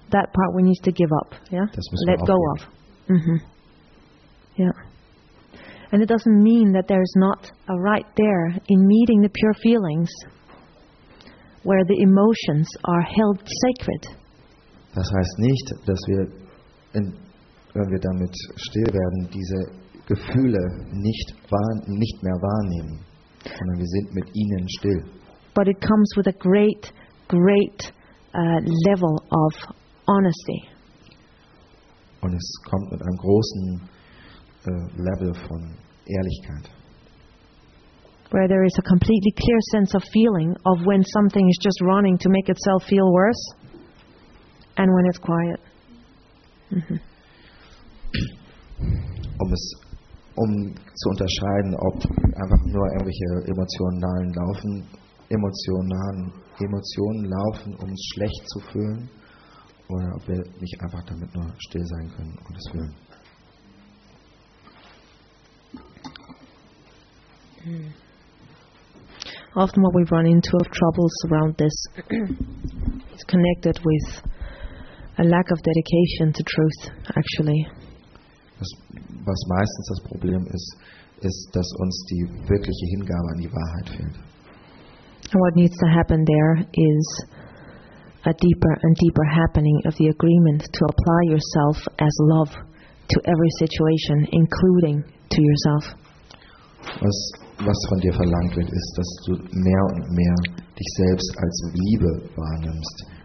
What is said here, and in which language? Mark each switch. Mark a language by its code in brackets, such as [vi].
[en] That part we need to give up, yeah? [de] Das müssen Let wir aufgeben. Mm-hmm. Yeah. [en] And it doesn't mean that there is not a right there in meeting the pure feelings, where the emotions are held sacred. [de] Das heißt nicht, dass wir, wenn wir damit still werden, diese Gefühle nicht mehr wahrnehmen, sondern wir sind mit ihnen still. [en] But it comes with a great, great level of honesty. [de] Und es kommt mit einem großen Level von Ehrlichkeit. [en] Where there is a completely clear sense of feeling of when something is just running to make itself feel worse and when it's quiet. Mm-hmm. [de] Um zu unterscheiden, ob einfach nur irgendwelche Emotionen laufen, um es schlecht zu fühlen, oder ob wir nicht einfach damit nur still sein können und es fühlen. [en] Often what we run into of troubles around this is connected with a lack of dedication to truth, actually. [de] Was meistens das Problem ist, dass uns die wirkliche Hingabe an die Wahrheit fehlt. [en] And what needs to happen there is a deeper and deeper happening of the agreement to apply yourself as love to every situation, including to yourself. [de] Was von dir verlangt wird, ist, dass du mehr und mehr dich selbst als Liebe wahrnimmst.